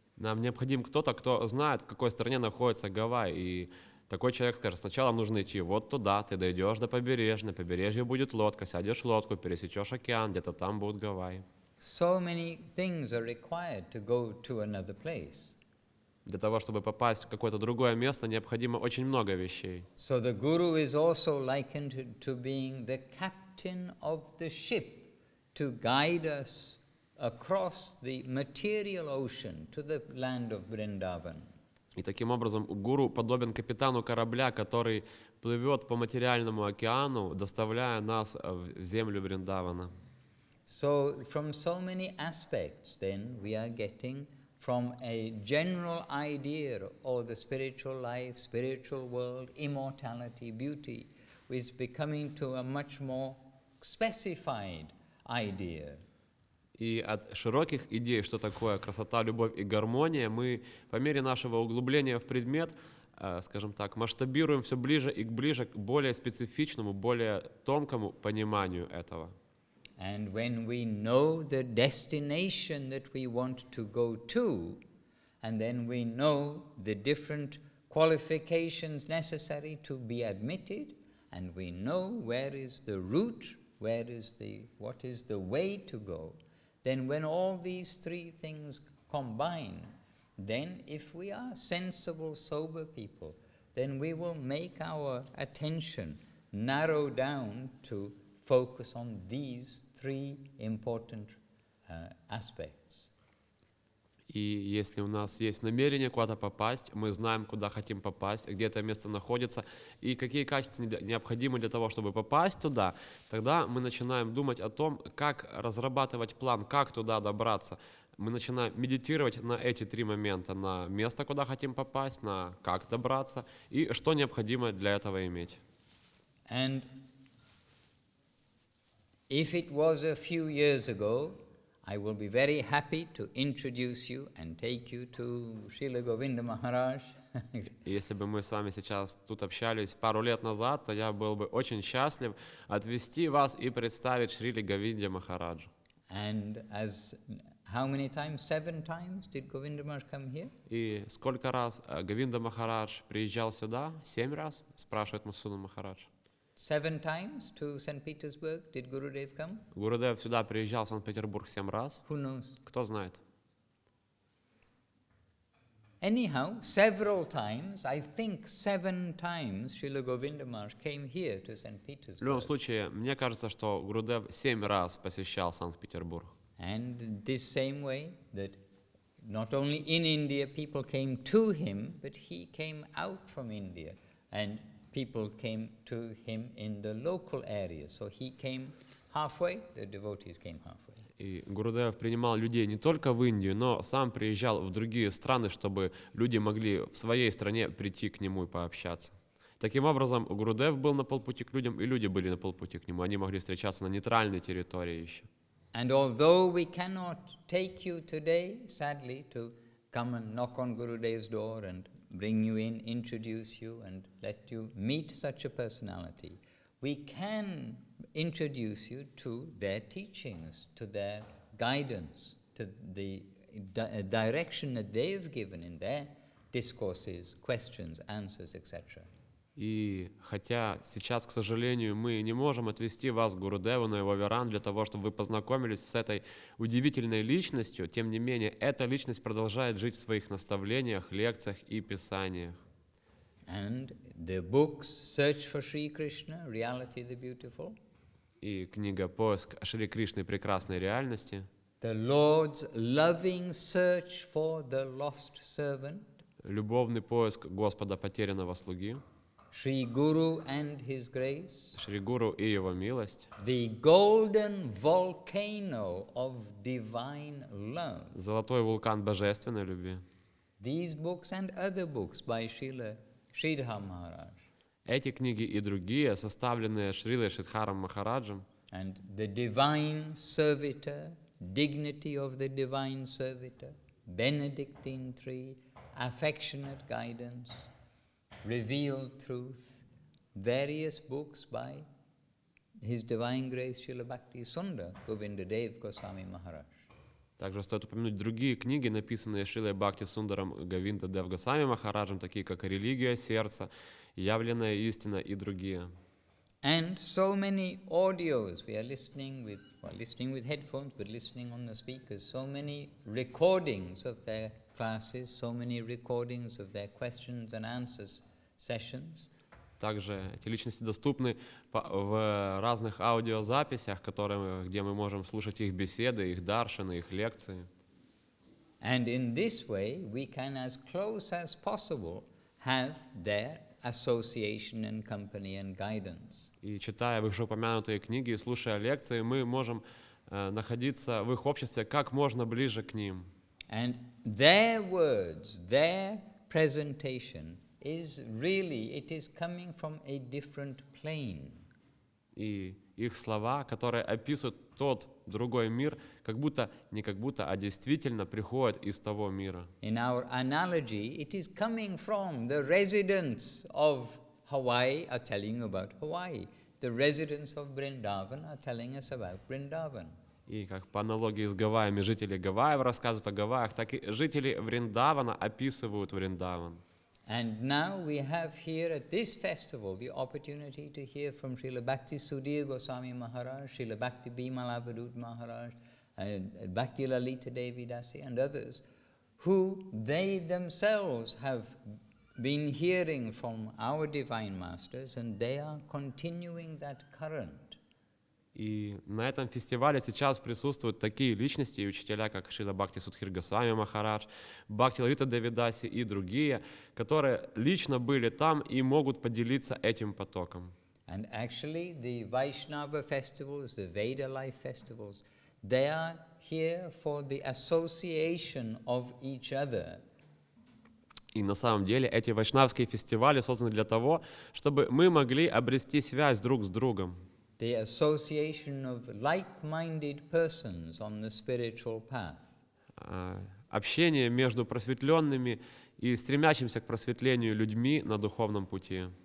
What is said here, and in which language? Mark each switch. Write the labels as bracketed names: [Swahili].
[Russian] Нам необходим кто-то, кто знает, в какой стране находится Гавайи, и такой человек скажет, сначала нужно идти вот туда, ты дойдешь до побережья, на побережье будет лодка, сядешь в лодку, пересечешь океан, где-то там будут Гавайи. [English] So many things are required to go to another place. [Russian] Для того, чтобы попасть в какое-то другое место, необходимо очень много вещей. [English] So the guru is also likened to being the captain of the ship to guide us across the material ocean to the land of Vrindavan. [Russian] И таким образом гуру подобен капитану корабля, который плывет по материальному океану, доставляя нас в землю Вриндавана. [English] So from so many aspects then we are getting from a general idea of the spiritual life, spiritual world, immortality, beauty, is becoming to a much more specified idea. [Russian] И от широких идей, что такое красота, любовь и гармония, мы по мере нашего углубления в предмет, скажем так, масштабируем все ближе и ближе к более специфичному, более тонкому пониманию этого. [English] And when we know the destination that we want to go to, and then we know the different qualifications necessary to be admitted, and we know where is the route, what is the way to go, then when all these three things combine, then if we are sensible, sober people, then we will make our attention narrow down to focus on these three important aspects. [Russian] И если у нас есть намерение куда-то попасть, мы знаем, куда хотим попасть, где это место находится, и какие качества необходимы для того, чтобы попасть туда, тогда мы начинаем думать о том, как разрабатывать план, как туда добраться. Мы начинаем медитировать на эти три момента, на место, куда хотим попасть, на как добраться, и что необходимо для этого иметь. [English] And if it was a few years ago, I will be very happy to introduce you and take you to Srila Govinda Maharaj. [Russian] Если бы мы с вами сейчас тут общались пару лет назад, то я был бы очень счастлив отвести вас и представить Шриле Говинде Махараджу. [English] And as how many times? 7 times did Govinda Maharaj come here? [Russian] И сколько раз Говинда Махарадж приезжал сюда? 7 раз? Спрашивает Мусуна Махарадж. [English] 7 times to St. Petersburg did Gurudev come? [Russian] Gurudev сюда приезжал в Санкт-Петербург 7 раз. [English] Who knows? [Russian] Кто знает? [English] Anyhow, several times, I think 7 times Srila Govinda Maharaj came here to St. Petersburg. [Russian] В любом случае, мне кажется, что Gurudev 7 раз посещал Санкт-Петербург. [English] And this same way that not only in India people came to him, but he came out from India and people came to him in the local area. So he came halfway, the devotees came halfway. [Russian] И Гурудев принимал людей не только в Индию, но сам приезжал в другие страны, чтобы люди могли в своей стране прийти к нему и пообщаться. Таким образом, Гурудев был на полпути к людям, и люди были на полпути к нему. Они могли встречаться на нейтральной территории еще. [English] And although we cannot take you today, sadly, to come and knock on Gurudev's door and bring you in, introduce you and let you meet such a personality, we can introduce you to their teachings, to their guidance, to the direction that they have given in their discourses, questions, answers, etc. [Russian] И хотя сейчас, к сожалению, мы не можем отвести вас к Гурудеву на его веранд для того, чтобы вы познакомились с этой удивительной личностью, тем не менее, эта личность продолжает жить в своих наставлениях, лекциях и писаниях. [English] And the books Search for Sri Krishna, Reality the Beautiful. [Russian] И книга «Поиск Шри Кришны прекрасной реальности». [English] The Lord's loving search for the lost servant. [Russian] Любовный поиск Господа потерянного слуги. [English] Shri Guru and His Grace. [Russian] Шри Гуру и Его милость. [English] The Golden Volcano of Divine Love. [Russian] Золотой вулкан божественной любви. [English] These books and other books by Srila Sridhar Maharaj. [Russian] Эти книги и другие, составленные Шрилой Шридхаром Махараджем. [English] And the Divine Servitor, Dignity of the Divine Servitor, Benedictine Tree, Affectionate Guidance. Revealed Truth, various books by His Divine Grace Srila Bhakti Sundar Govindadev Goswami Maharaj. [Russian] Также стоит упомянуть другие книги, написанные Шрилой Бхакти Сундаром Говиндадев Госвами Махараджем, такие как «Религия сердца», «Явленная истина» и другие. [English] And so many audios we are listening with, well, listening with headphones, but listening on the speakers, so many recordings of their classes, so many recordings of their questions and answers. Sessions. [Russian] Также эти личности доступны в разных аудиозаписях, которые, где мы можем слушать их беседы, их даршаны, их лекции. [English] And in this way we can as close as possible have their association and company and guidance. [Russian] И читая вышеупомянутые книги и слушая лекции, мы можем находиться в их обществе как можно ближе к ним. [English] And their words, their presentation is really, it is coming from a different plane. [Russian] И их слова, которые описывают тот другой мир, как будто, не как будто, а действительно приходят из того мира. [English] In our analogy, it is coming from the residents of Hawaii are telling about Hawaii. The residents of Vrindavan are telling us about Vrindavan. [Russian] И как по аналогии с Гавайями, жители Гавайев рассказывают о Гавайях, так и жители Вриндавана описывают Вриндаван. [English] And now we have here at this festival the opportunity to hear from Srila Bhakti Sudhir Goswami Maharaj, Srila Bhakti Bimala Vadud Maharaj, and Bhakti Lalita Devi Dasi and others, who they themselves have been hearing from our divine masters, and they are continuing that current. [Russian] И на этом фестивале сейчас присутствуют такие личности и учителя, как Шрила Бхакти Судхир Госвами Махарадж, Бхакти Лалита Девидаси и другие, которые лично были там и могут поделиться этим потоком. [English] And actually, the Vaishnava festivals, the Veda life festivals, they are here for the association of each other. [Russian] И на самом деле эти вайшнавские фестивали созданы для того, чтобы мы могли обрести связь друг с другом. [English] The association of like-minded persons on the spiritual path. [Russian] Общение между просветленными и стремящимися к просветлению людьми на духовном пути.